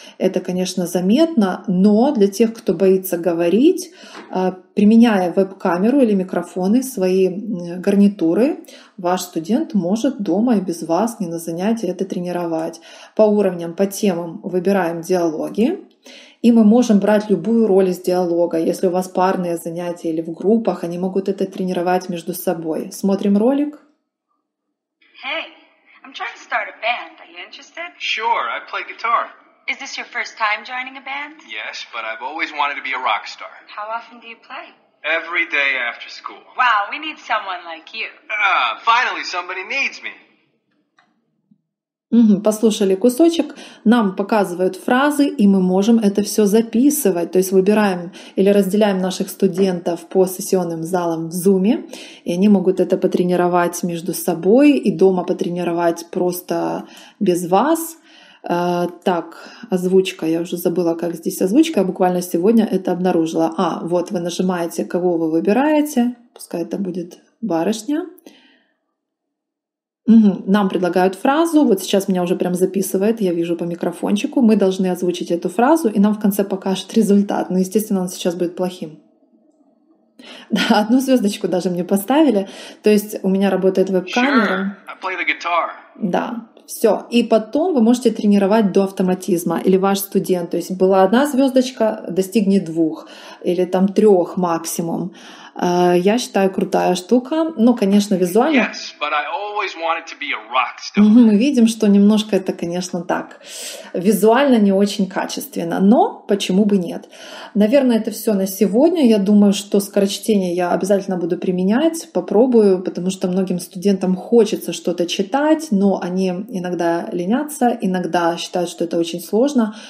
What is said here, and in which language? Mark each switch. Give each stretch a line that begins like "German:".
Russian: Это, конечно, заметно, но для тех, кто боится говорить, применяя веб-камеру или микрофоны, свои гарнитуры, ваш студент может дома и без вас, не на занятии, это тренировать. По уровням, по темам выбираем диалоги. И мы можем брать любую роль из диалога. Если у вас парные занятия или в группах, они могут это тренировать между собой. Смотрим ролик.
English: Hey, I'm trying to start a band. Are you interested? Sure, I play guitar. Is this your first time joining a band? Yes, but I've always wanted to be a rock star. How often do you play? Every day after school. Wow, we need someone like you. Finally, somebody needs me.
Russian: Послушали кусочек, нам показывают фразы, и мы можем это все записывать. То есть выбираем или разделяем наших студентов по сессионным залам в Zoom, и они могут это потренировать между собой и дома потренировать просто без вас. Так, озвучка, я уже забыла, как здесь озвучка, я буквально сегодня это обнаружила. А, вот вы нажимаете, кого вы выбираете, пускай это будет барышня. Нам предлагают фразу, вот сейчас меня уже прям записывает, я вижу по микрофончику, мы должны озвучить эту фразу, и нам в конце покажут результат, но, естественно, он сейчас будет плохим. Да, одну звездочку даже мне поставили, то есть у меня работает веб-камера.
English: Sure, I play the guitar.
Russian: Да, все, и потом вы можете тренировать до автоматизма, или ваш студент, то есть была одна звездочка, достигнет двух, или там трех максимум. Я считаю, крутая штука. Ну, конечно, визуально.
English: Yes, but I always wanted to be a rock star.
Russian: Мы видим, что немножко это, конечно, так. Визуально не очень качественно. Но почему бы нет? Наверное, это все на сегодня. Я думаю, что скорочтение я обязательно буду применять. Попробую, потому что многим студентам хочется что-то читать, но они иногда ленятся, иногда считают, что это очень сложно.